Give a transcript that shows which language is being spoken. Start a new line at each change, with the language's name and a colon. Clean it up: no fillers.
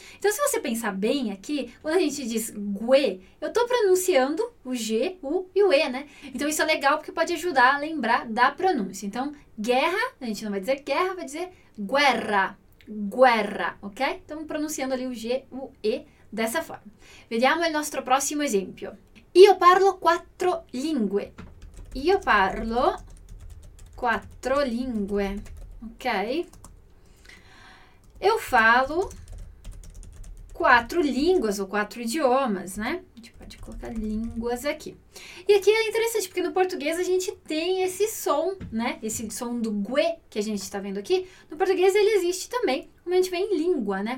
Portuguese: Então, se você pensar bem aqui, quando a gente diz GUE, eu estou pronunciando o G, U e o E, né? Então, isso é legal porque pode ajudar a lembrar da pronúncia. Então, guerra, a gente não vai dizer guerra, vai dizer guerra, guerra, ok? Então, pronunciando ali o G, U, E dessa forma.
Italian: Vediamo il nostro prossimo esempio. Io parlo quattro lingue. Io parlo quattro lingue, ok?
Portuguese: Eu falo quatro línguas ou quatro idiomas, né? Pode colocar línguas aqui. E aqui é interessante, porque no português a gente tem esse som, né? Esse som do gue que a gente está vendo aqui. No português ele existe também, como a gente vê em língua, né?